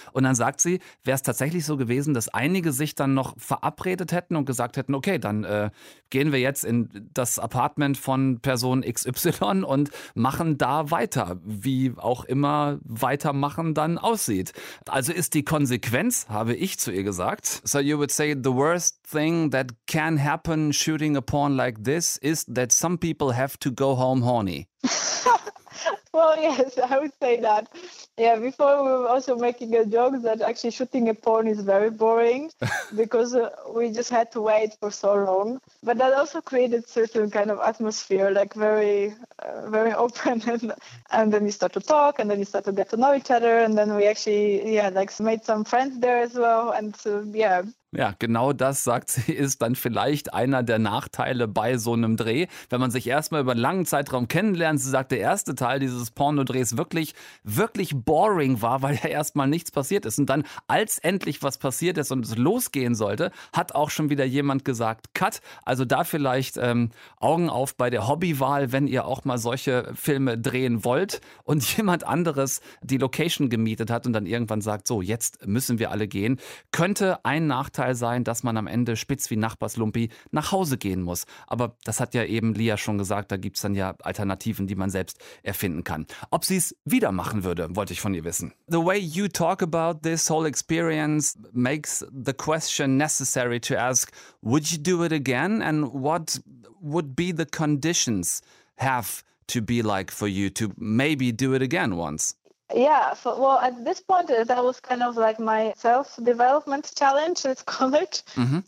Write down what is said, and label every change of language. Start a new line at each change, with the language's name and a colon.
German: Und dann sagt sie, wäre es tatsächlich so gewesen, dass einige sich dann noch verabredet hätten und gesagt hätten, okay, dann gehen wir jetzt in das Apartment von Person XY und machen da weiter, wie auch immer weitermachen dann aussieht. Also ist die Konsequenz, habe ich zu ihr gesagt.
English: So you would say the worst thing that can happen shooting a porn like this is that some people have to go home horny. Well, yes, I would say that. Yeah, before we were also making a joke that actually shooting a porn is very boring because we just had to wait for so long. But that also created certain kind of atmosphere, like very open. And then we start to talk and then we start to get to know each other. And then we actually, yeah, like made some friends there as well. And yeah.
German: Ja, genau das, sagt sie, ist dann vielleicht einer der Nachteile bei so einem Dreh. Wenn man sich erstmal über einen langen Zeitraum kennenlernt, sie sagt, der erste Teil dieses Pornodrehs wirklich, wirklich boring war, weil ja erstmal nichts passiert ist. Und dann, als endlich was passiert ist und es losgehen sollte, hat auch schon wieder jemand gesagt, Cut. Also da vielleicht Augen auf bei der Hobbywahl, wenn ihr auch mal solche Filme drehen wollt und jemand anderes die Location gemietet hat und dann irgendwann sagt, so, jetzt müssen wir alle gehen, könnte ein Nachteil sein, dass man am Ende spitz wie Nachbarslumpi nach Hause gehen muss. Aber das hat ja eben Lia schon gesagt, da gibt es dann ja Alternativen, die man selbst erfinden kann. Ob sie es wieder machen würde, wollte ich von ihr wissen.
English: The way you talk about this whole experience makes the question necessary to ask, would you do it again and what would be the conditions have to be like for you to maybe do it again once? Yeah, so, well, at this point, that was kind of like my self-development challenge, let's call it. Mm-hmm.